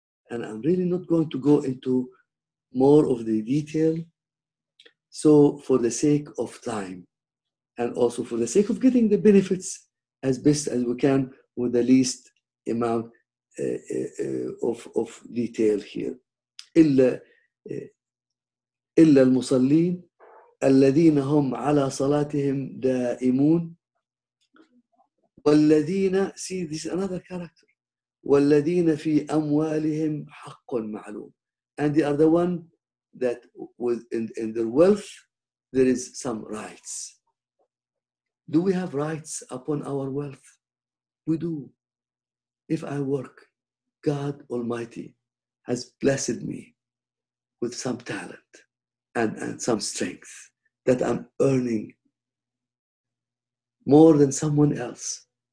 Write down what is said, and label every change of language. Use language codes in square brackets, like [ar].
[en] And I'm really not going to go into more of the detail. So for the sake of time, and also for the sake of getting the benefits as best as we can with the least amount of detail here. [ar] إلا المصلين الذين هم على صلاتهم دائمون. والذين, [en] see this is another character, [ar] والذين في أموالهم حق معلوم. [en] And they are the one that in their wealth there is some rights. Do we have rights upon our wealth? We do. If I work, God Almighty has blessed me with some talent and some strength that I'm earning more than someone else.